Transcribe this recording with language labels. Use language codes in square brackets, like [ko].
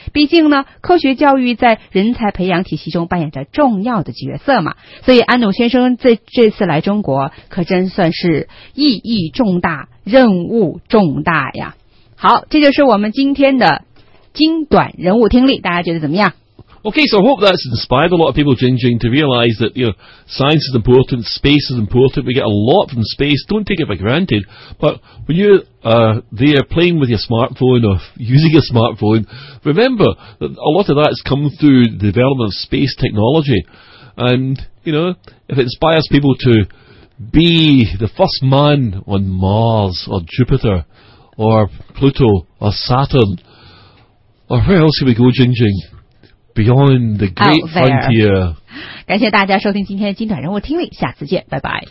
[zh] 毕竟呢，科学教育在人才培养体系中扮演着重要的角色嘛。所以安努先生在这次来中国可真算是意义重大，任务重大呀。好，这就是我们今天的精短人物听力，大家觉得怎么样？ [en] Okay, so I hope that's inspired a lot of people, Jingjing, to realize that, you know, science is important, space is important, we get a lot from space, don't take it for granted, but when you there playing with your smartphone or using your smartphone, remember that a lot of that has come through the development of space technology, and, you know, if it inspires people to be the first man on Mars or Jupiter, or Pluto or Saturn, or where else should we go, Jing Jing? Beyond the great frontier. [zh] 感谢大家收听今天的金短人物听力，下次见，拜拜，